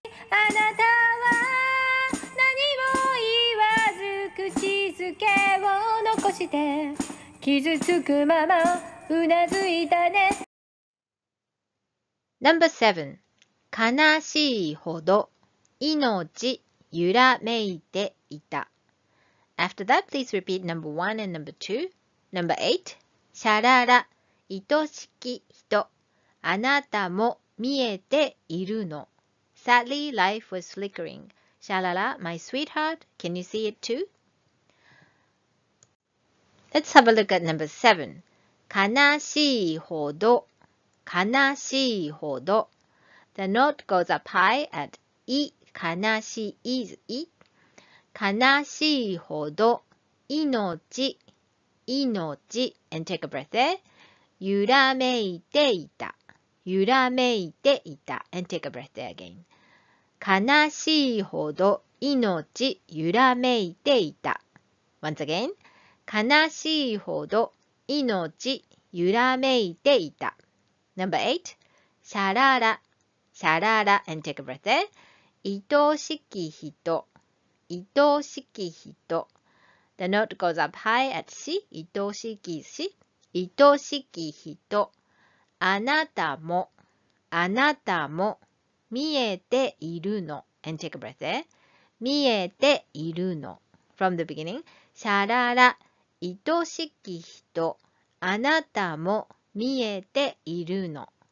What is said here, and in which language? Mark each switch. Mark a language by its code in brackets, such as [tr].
[ja] あなたは何も言わず、口づけを残して。傷つくまま、うなずいたね。 [en] Number 7. [ja] 悲しいほど命揺らめいていた。 [en] After that, please repeat number 1 and number 2. Number 8. [ja] シャララ、愛しき人、あなたも見えているの。 [en] Sadly, life was flickering. シャララ、my sweetheart, can you see it too? Let's have a look at number 7. [ja] 悲しいほど悲しいほど。 [en] The note goes up high at い、悲しい is い。 [ja] 悲しいほど、命、命。 [en] And take a breath there. [ja] 揺らめいていた、揺らめいていた。 [en] And take a breath there again. [ja] 悲しいほど、命、揺らめいていた。 [en] Once again. [ja] 悲しいほど、命、揺らめいていた。 [en] Number 8. [ja] シャララ、シャララ。 [en] And take a breath there. [ja] 愛しき人、愛しき人。 [en] The note goes up high at し、愛しきし。 [ja] 愛しき人。あなたも、あなたも、見えているの。 [en] And take a breath there. [ja] 見えているの。 [en] From the beginning. [ja] シャララ、愛しき人、あなたも、見えているの。